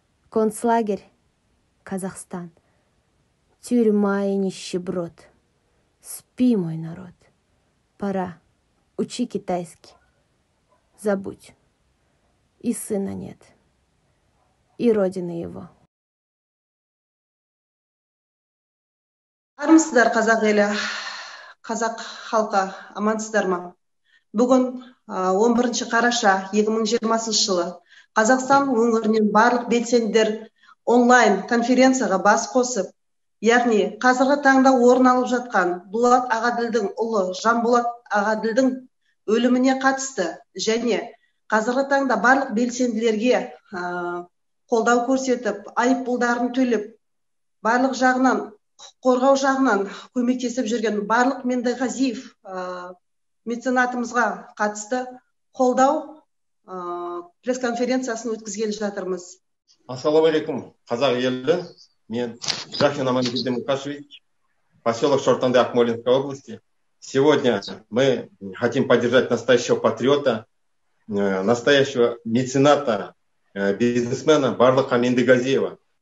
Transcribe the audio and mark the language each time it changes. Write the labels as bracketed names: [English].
[Russian] Концлагерь, Казахстан, тюрьма и нищеброд. Спи, мой народ, пора, учи китайский. Забудь, и сына нет, и родины его. [Kazakh] Армысыздар, қазақ елі, қазақ халқы, амансыздар ма? Бүгін 11 қараша 2020 жылы Қазақстан өңірінен барлық белсенділер онлайн конференцияға бас қосып, яғни қазіргі таңда орын алып жатқан Дулат Ағаділдің ұлы Жанболат Ағаділдің өліміне қатысты және қазіргі таңда барлық белсенділерге қолдау көрсетіп, айыппұлдарын төлеп, барлық жағынан қорғау жағынан көмектесіп жүрген барлық Мендіғазиев меценатымызға қатысты қолдау пресс-конференциясын өткізгелі жатырмыз. Ассаламу алейкум, қазақ елі. Мен [Russian] Жахин Амангелдин Мукашевич, поселок Шортанды Акмолинской области. Сегодня мы хотим поддержать настоящего патриота, настоящего мецената, бизнесмена Барлыха Мендіғазиева.